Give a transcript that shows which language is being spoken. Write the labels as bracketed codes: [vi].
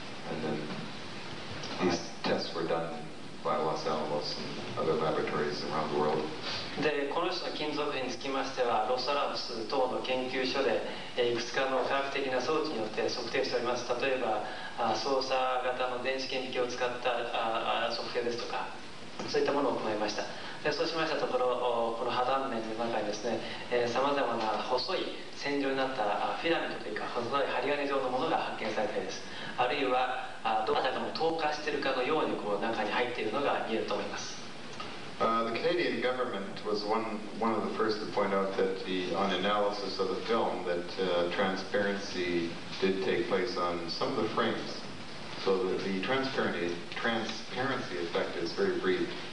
[en] And then these tests were done by Los Alamos and other laboratories around the world. [ja] で、この人の金属片につきましては、ロスアラムス等の研究所で、いくつかの科学的な装置によって測定しております。例えば、操作型の電子顕微鏡を使った測定ですとか、そういったものを行いました。で、そうしましたところ、この破断面の中にですね、様々な細い線状になったフィラメントというか、細い針金状のものが発見されたりです。あるいは、どなたかも透過しているかのようにこう中に入っているのが見えると思います。 [en] The Canadian government was one of the first to point out that the, on analysis of the film, that transparency did take place on some of the frames. So the transparency effect is very brief.